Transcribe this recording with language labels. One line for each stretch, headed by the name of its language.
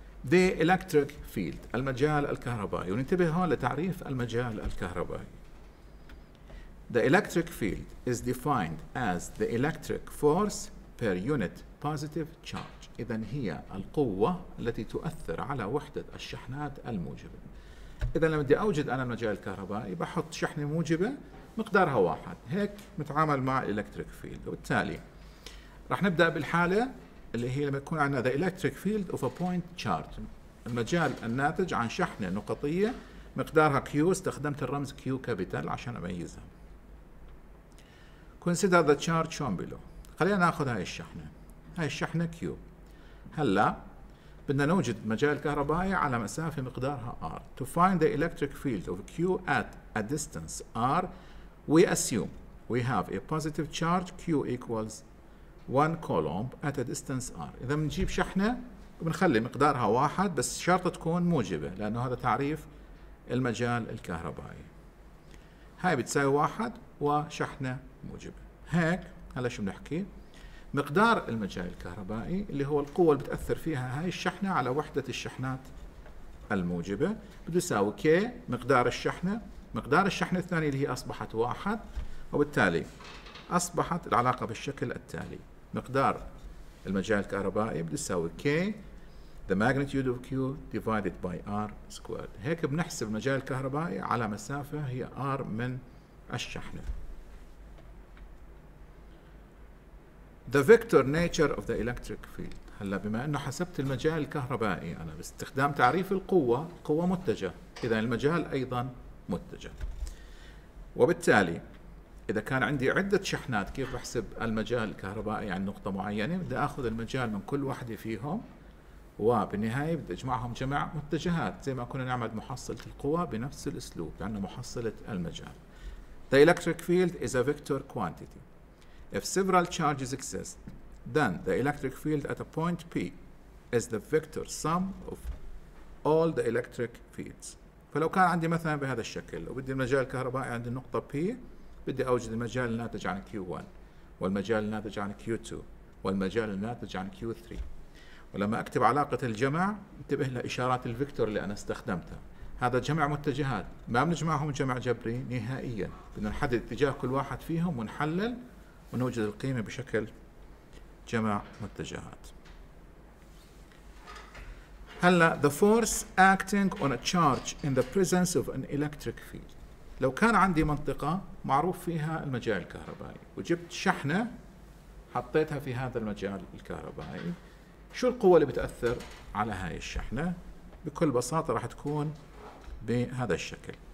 English: The electric field,
Arabic: المجال الكهربائي. وننتبه هون لتعريف المجال الكهربائي.
English: The electric field is defined as the electric force per unit positive charge.
Arabic: إذن هي القوة التي تؤثر على وحدة الشحنات الموجبة. إذن لما بدي أوجد أنا المجال الكهربائي بحط شحنة موجبة مقدارها واحد. هيك متعامل مع electric field. وبالتالي رح نبدأ بالحالة اللي هي لما يكون عندنا
English: the electric field of a point charge.
Arabic: المجال الناتج عن شحنة نقطية مقدارها Q. استخدمت الرمز Q capital عشان أميزها.
English: Consider the charge shown below.
Arabic: خلينا نأخذ هاي الشحنة. هاي الشحنة Q. هلا بدنا نوجد مجال كهربائي على مسافة مقدارها R.
English: To find the electric field of Q at a distance R, we assume we have a positive charge Q equals 1 coulomb at a distance R.
Arabic: إذا بنجيب شحنة بنخلي مقدارها واحد بس شرط تكون موجبة لأنه هذا تعريف المجال الكهربائي. هاي بتساوي واحد وشحنة موجبة. هيك هلا شو بنحكي؟ مقدار المجال الكهربائي اللي هو القوة اللي بتأثر فيها هاي الشحنة على وحدة الشحنات الموجبة بده يساوي K مقدار الشحنة. مقدار الشحنة الثانية اللي هي أصبحت واحد، وبالتالي أصبحت العلاقة بالشكل التالي. مقدار المجال الكهربائي بده يساوي
English: K the magnitude of Q divided by R squared.
Arabic: هيك بنحسب المجال الكهربائي على مسافة هي R من الشحنة.
English: The vector nature of the electric field.
Arabic: هلا بما انه حسبت المجال الكهربائي انا باستخدام تعريف القوة، قوة متجه، اذا المجال ايضا متجه. وبالتالي اذا كان عندي عدة شحنات كيف بحسب المجال الكهربائي عن نقطة معينة؟ بدي اخذ المجال من كل واحدة فيهم وبالنهاية بدي اجمعهم جمع متجهات زي ما كنا نعمل محصلة القوة بنفس الاسلوب لانه محصلة المجال.
English: The electric field is a vector quantity. If several charges exist, then the electric field at a point P is the vector sum of all the electric fields.
Arabic: فلو كان عندي مثلا بهذا الشكل وبدي المجال الكهربائي عند النقطة P، بدي أوجد المجال الناتج عن Q1 والمجال الناتج عن Q2 والمجال الناتج عن Q3. ولما أكتب علاقة الجمع انتبه لإشارات الفيكتور اللي أنا استخدمتها. هذا جمع متجهات، ما بنجمعهم جمع جبري نهائيا، بدنا نحدد اتجاه كل واحد فيهم ونحلل ونوجد القيمة بشكل جمع متجهات.
English: هلا the force acting on a charge in the presence of an electric field.
Arabic: لو كان عندي منطقة معروف فيها المجال الكهربائي وجبت شحنة حطيتها في هذا المجال الكهربائي، شو القوة اللي بتأثر على هاي الشحنة؟ بكل بساطة راح تكون بهذا الشكل.